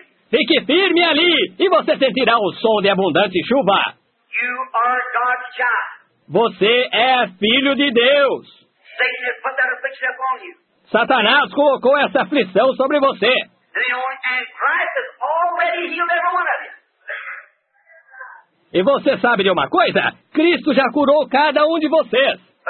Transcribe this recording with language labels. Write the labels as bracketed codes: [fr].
[pt] Fique firme ali, e você sentirá o som de abundante chuva. [en] You are God's child. [pt] Você é filho de Deus. [en] Satan has put that affliction upon you. [pt] Satanás colocou essa aflição sobre você. [en] And Christ has already healed every one of you. [pt] E você sabe de uma coisa? Cristo já curou cada um de vocês.